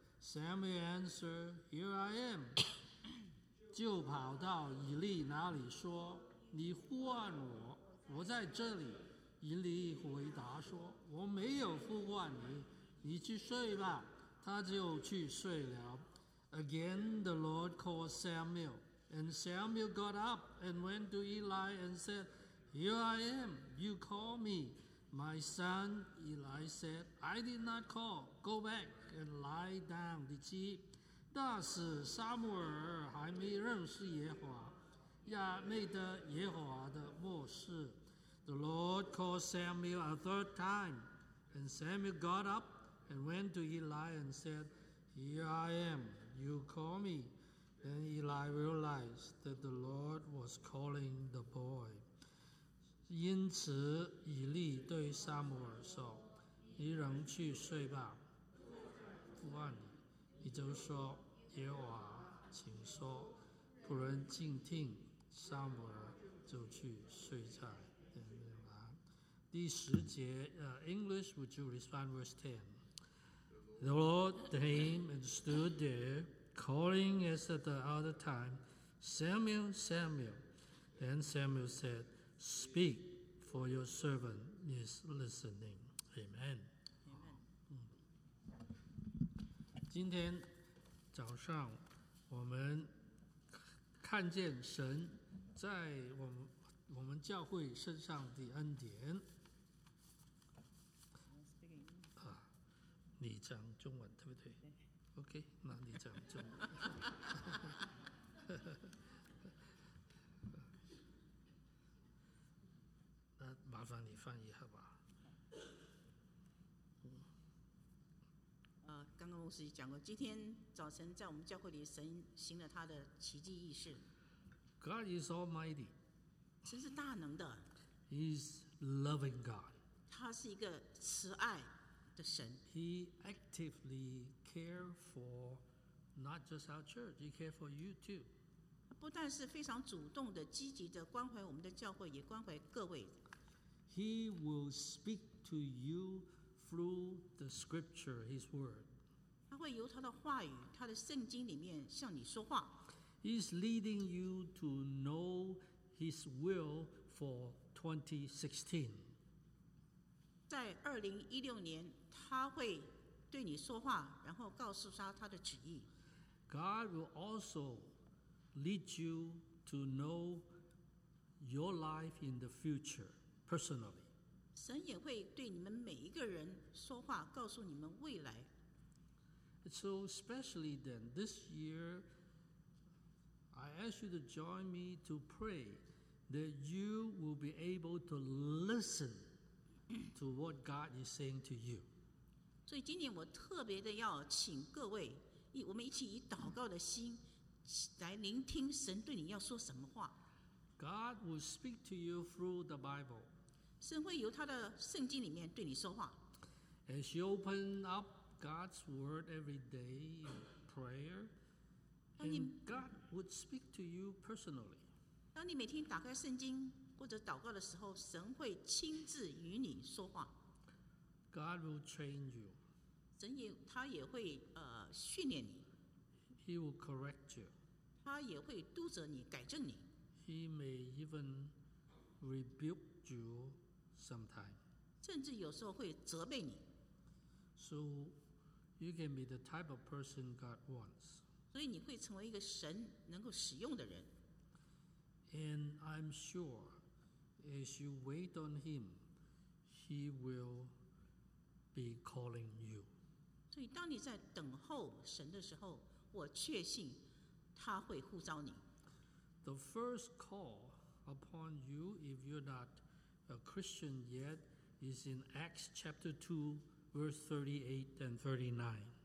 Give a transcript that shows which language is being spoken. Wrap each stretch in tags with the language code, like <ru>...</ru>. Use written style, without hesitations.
<en>Samuel answered, Here I am.</en> <zh>就跑到以利那里说，你呼唤我。我在这里，以利回答说：“我没有呼唤你，你去睡吧。” 他就去睡了。</zh> <en>Again, the Lord called Samuel, and Samuel got up and went to Eli and said, "Here I am. You call me, my son." Eli said, "I did not call. Go back and lie down."</en> <zh>第七，那时撒母耳还没认识耶和华。亚美的耶和华的默示</zh> <en>The Lord called Samuel a third time, and Samuel got up and went to Eli and said, Here I am, you call me. Then Eli realized that the Lord was calling the boy.</en> <zh>因此以利对撒母耳说，你仍去睡吧，不唤你。你就说，耶和华，请说，仆人静听。撒母耳就去睡在殿里了。第十节，</zh> <en>English, would you respond verse 10? The Lord came and stood there, calling as at the other time, Samuel, Samuel. Then Samuel said, Speak, for your servant is listening. Amen. Amen.</en> <zh>今天早上我们看见神在我们教会身上的恩典。啊，你讲中文对不对 ？OK， 那你讲中文。那麻烦你翻译好不好？刚刚牧师讲过，今天早晨在我们教会里，神行了他的奇迹异事。</zh> <en>God is Almighty.</en> <zh>神是大能的。</zh> <en>He's loving God.</en> <zh>他是一个慈爱的神。</zh> <en>He actively cares for not just our church, he cares for you too.</en> <zh>不但是非常主动的、积极的关怀我们的教会，也关怀各位。</zh> <en>He will speak to you. Through the scripture, his word.</en> <zh>他会由他的话语，他的圣经里面向你说话。</zh> <en>He's leading you to know his will for 2016.</en> <zh>在2016年，他会对你说话，然后告诉他的旨意。</zh> <en>God will also lead you to know your life in the future, personally.</en> <zh>神也会对你们每一个人说话，告诉你们未来。</zh> <en>So especially then this year, I ask you to join me to pray that you will be able to listen to what God is saying to you.</en> <zh>所以今年我特别的要请各位，我们一起以祷告的心来聆听神对你要说什么话。</zh> <en>God will speak to you through the Bible.</en> <zh>神会由他的圣经里面对你说话。</zh> <en>As you open up God's word every day in prayer, and God would speak to you personally.</en> <zh>当你每天打开圣经或者祷告的时候，神会亲自与你说话。</zh> <en>God will train you.</en> <zh>神也他也会训练你。</zh> <en>He will correct you.</en> <zh>他也会督责你，改正你。</zh> <en>He may even rebuke you sometime.</en> <zh>甚至有时候会责备你。</zh> <en>So you can be the type of person God wants.</en> <zh>所以你会成为一个神能够使用的人。</zh> <en>And I'm sure, as you wait on Him, He will be calling you.</en> <zh>所以当你在等候神的时候，我确信他会呼召你。</zh> <en>The first call upon you, if you're not a Christian yet, is in Acts chapter 2, verse 38 and 39.</en>